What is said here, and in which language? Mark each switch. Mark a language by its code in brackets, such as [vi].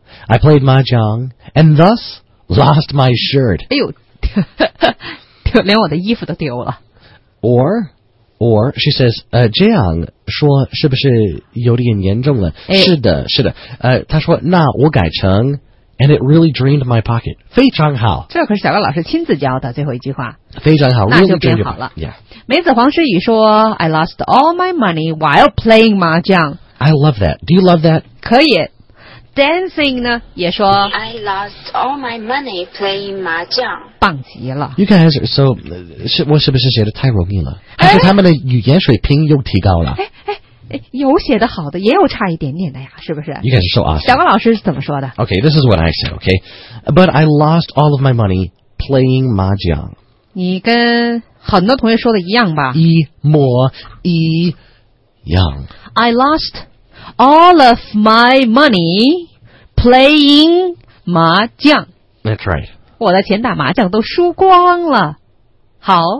[en] I played mahjong and thus lost my shirt. [zh] 哎呦，连我的衣服都丢了。 [en] Or she says, [zh] 这样说是不是有点严重了？哎、是的，是的。她说，那我改成 [en] and it really drained my pocket. [zh] 非常好。这可是小高老师亲自教的最后一句话。非常好，那就变好了。 Yeah. [en] 梅子黄诗雨说 ，I lost all my money while playing mahjong. I love that. Do you love that? [zh] 可以。Dancing 呢也说 [en] I lost all my money playing 麻将 [zh] 棒极了 [en] You guys are so [zh] 是我是不是写得太容易了还是他们的语言水平又提高了哎哎有写的好的，也有差一点点的呀，是不是？ [en] You guys are so awesome. [zh] 小王老师是怎么说的？ [en] Okay, this is what I said, okay? But I lost all of my money playing mahjong. [zh] 你跟很多同学说的一样吧？一模一样。 [en] I lost all of my money playing mahjong. That's right. [zh] 我的钱打麻将都输光了。好。